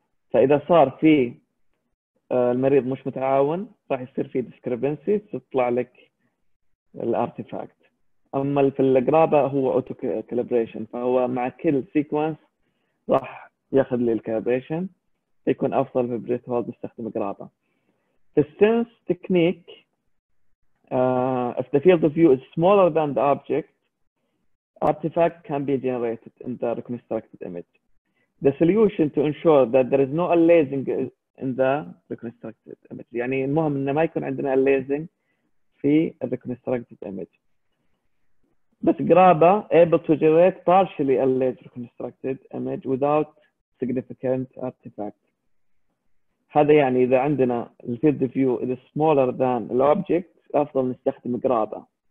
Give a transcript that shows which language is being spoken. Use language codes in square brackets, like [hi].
[ar] فإذا صار في المريض مش متعاون راح يصير فيه discrepancy تطلع لك الارتيفاكت. أما في الجرابة هو auto calibration فهو مع كل sequence راح يأخذ لي الكالبريشن يكون أفضل في بريث هولد يستخدم جرابة. [en] The sense technique if the field of view is smaller than the object, artifact can be generated in the reconstructed image. The solution to ensure that there is no aliasing in the reconstructed image. [ar] يعني المهم إن ما يكون عندنا aliasing في [en] the reconstructed image. But GRABA able to generate partially aliased reconstructed image without significant artifact. [ar] هذا يعني إذا عندنا [en] the field of view is smaller than the object, [ar] أفضل نستخدم [en] GRABA.